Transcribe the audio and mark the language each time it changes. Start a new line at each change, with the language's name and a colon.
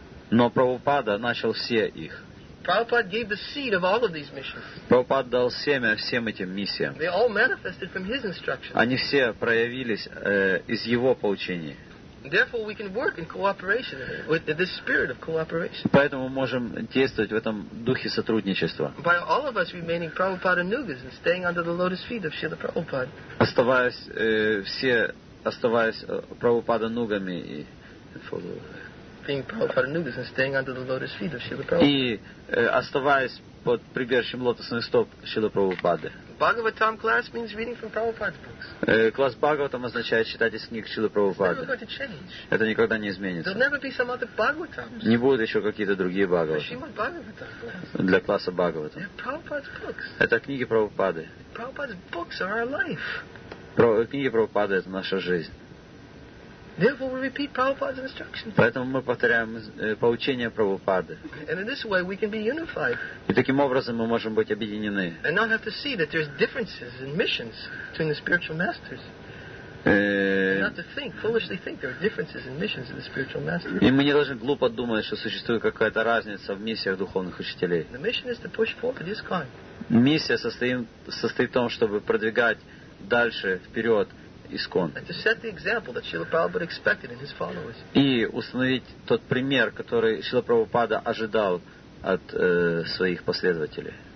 Russian: Но Прабхупада начал все их.
English: Prabhupada gave the seed of all of these missions.
Russian: Prabhupada дал семя всем этим миссиям.
English: They all manifested from his instructions.
Russian: Они все проявились из его поучения.
English: Therefore, we can work in cooperation with this spirit of cooperation.
Russian: Поэтому можем действовать в этом духе сотрудничества.
English: By all of us remaining Prabhupada Nugas and staying under the lotus feet of Srila Prabhupada.
Russian: Оставаясь Прабхупада Нугами и и оставаясь под прибежищем лотосных стоп Шрилы Прабхупады.
English: Bhagavatam class means reading from Prabhupada's books.
Russian: Класс Бхагаватам означает читать из книг Шрилы Прабхупады. Это никогда не изменится.
English: There'll never be some other Bhagavatam.
Russian: Не будут еще какие-то другие Бхагаваты. Для класса Бхагаватам. Это книги Прабхупады.
English: Prabhupada's books are our life.
Russian: Книги Прабхупады — это наша жизнь.
English: Therefore, we repeat Prabhupada's instructions.
Russian: Поэтому мы повторяем поучения Прабхупады.
English: And in this way, we can be unified.
Russian: И таким образом мы можем быть объединены.
English: And not have to see that there's differences in missions between the spiritual masters. Not to think, foolishly think there are differences in missions of the spiritual masters.
Russian: И мы не должны глупо думать, что существует какая-то разница в миссиях духовных учителей.
English: The mission is to push forward this kind.
Russian: Миссия состоит в том, чтобы продвигать дальше вперед.
English: And to set the example that Srila Prabhupada expected in his followers.
Russian: И установить тот пример, который Шрила Прабхупада ожидал от своих последователей.